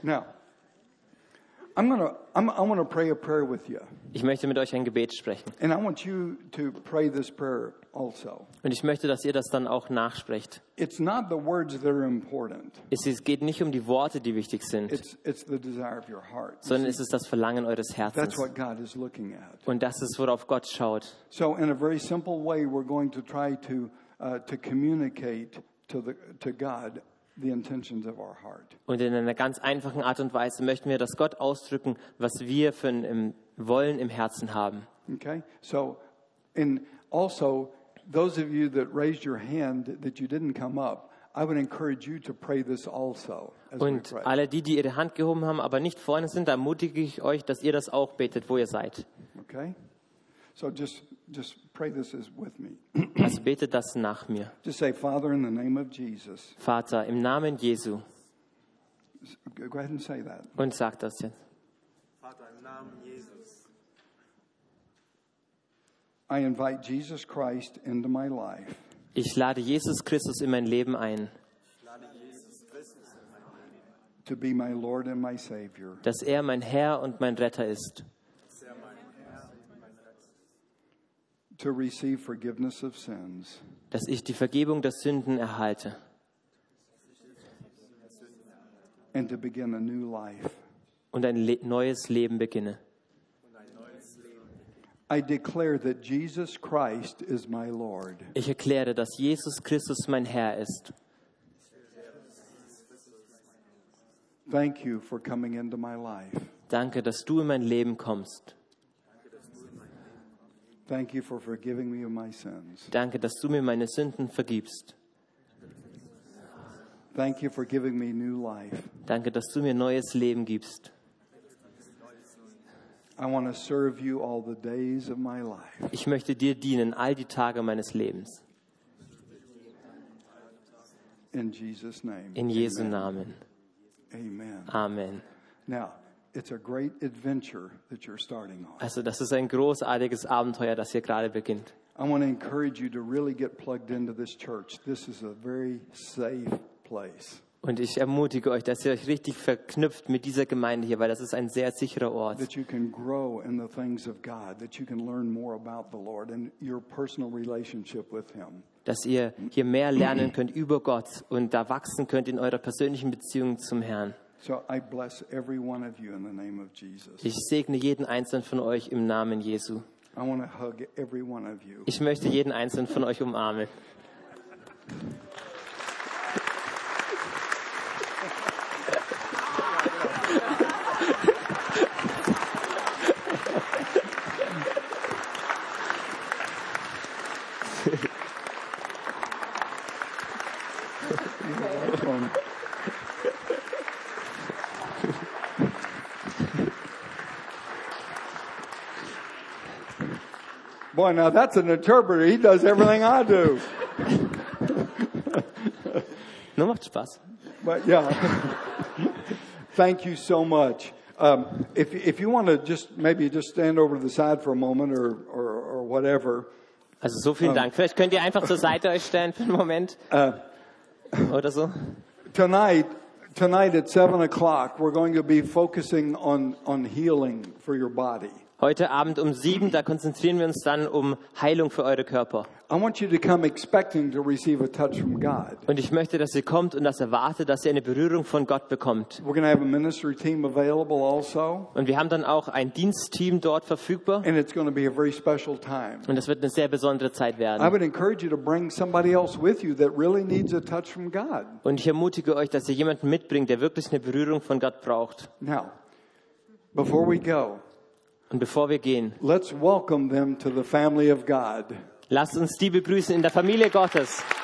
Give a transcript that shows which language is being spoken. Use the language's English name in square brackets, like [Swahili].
[English] Now, I'm gonna pray a prayer with you. [German] Ich möchte mit euch ein Gebet sprechen. [English] And I want you to pray this prayer also. [German] Und ich möchte, dass ihr das dann auch nachsprecht. [English] It's not the words that are important. [German] Es geht nicht um die Worte, die wichtig sind. [English] It's the desire of your heart. [German] Sondern es ist das Verlangen eures Herzens. [English] That's what God is looking at. [German] Und das ist, worauf Gott schaut. [English] So in a very simple way, we're going to try to communicate to God. The intentions of our heart. [German] Und in einer ganz einfachen Art und Weise möchten wir, dass Gott ausdrücken, was wir für ein Wollen im Herzen haben. [English] Okay, so And also, those of you that raised your hand that you didn't come up, I would encourage you to pray this also. [German] Und alle die, die ihre Hand gehoben haben, aber nicht vorne sind, ermutige ich euch, dass ihr das auch betet, wo ihr seid. [English] Okay. So just pray this with me. [German] Also betet das nach mir. [English] Just say, Father, in the name of Jesus. [German] Vater, im Namen Jesu. [English] Go ahead and say that. [German] Und sag das jetzt. Vater, im Namen Jesus. [English] I invite Jesus Christ into my life. [German] Ich lade Jesus Christus in mein Leben ein. [English] To be my Lord and my Savior. [German] Dass er mein Herr und mein Retter ist. [English] To receive forgiveness of sins. [German] Dass ich die Vergebung der Sünden erhalte. [English] And to begin a new life. [German] Und ein neues Leben beginne. [English] I declare that Jesus Christ is my Lord. [German] Ich erkläre, dass Jesus Christus mein Herr ist. [English] Thank you for coming into my life. [German] Danke, dass du in mein Leben kommst. [English] Thank you for forgiving me of my sins. [German] Danke, dass du mir meine Sünden vergibst. [English] Thank you for giving me new life. [German] Danke, dass du mir neues Leben gibst. [English] I want to serve you all the days of my life. [German] Ich möchte dir dienen all die Tage meines Lebens. [English] In Jesus' name. [German] In Jesu Namen. [English] Amen. [German] Amen. [English] Now, it's a great adventure that you're starting on. [German] Also, das ist ein großartiges Abenteuer, das hier gerade beginnt. [English] I want to encourage you to really get plugged into this church. This is a very safe place. [German] Und ich ermutige euch, dass ihr euch richtig verknüpft mit dieser Gemeinde hier, weil das ist ein sehr sicherer Ort. [English] That you can grow in the things of God, that you can learn more about the Lord and your personal relationship with him. [German] Dass ihr hier mehr lernen könnt über Gott und da wachsen könnt in eurer persönlichen Beziehung zum Herrn. [English] So I bless every one of you in the name of Jesus. [German] Ich segne jeden einzelnen von euch im Namen Jesu. [English] I want to hug every one of you. [German] Ich möchte jeden einzelnen von euch umarmen. [English] Boy, now that's an interpreter. He does everything I do. [German] Nur macht Spaß. [English] But yeah. Thank you so much. If you want to just maybe just stand over to the side for a moment or whatever. [German] Also so vielen Dank. Vielleicht könnt ihr einfach zur Seite euch stellen für einen Moment. Oder so. [English] Tonight at 7:00 we're going to be focusing on healing for your body. [German] Heute Abend 7:00, da konzentrieren wir uns dann Heilung für eure Körper. [English] I want you to come expecting to receive a touch from God. [German] Und ich möchte, dass ihr kommt und das erwartet, dass ihr eine Berührung von Gott bekommt. [English] We're going to have a ministry team available also. [German] Und wir haben dann auch ein Dienstteam dort verfügbar. [English] And it's going to be a very special time. [German] Und das wird eine sehr besondere Zeit werden. [English] I would encourage you to bring somebody else with you that really needs a touch from God. [German] Und ich ermutige euch, dass ihr jemanden mitbringt, der wirklich eine Berührung von Gott braucht. [English] Now, before we go. [German] Und bevor wir gehen, [English] let's welcome them to the family of God. [German] Lasst uns die begrüßen in der Familie Gottes.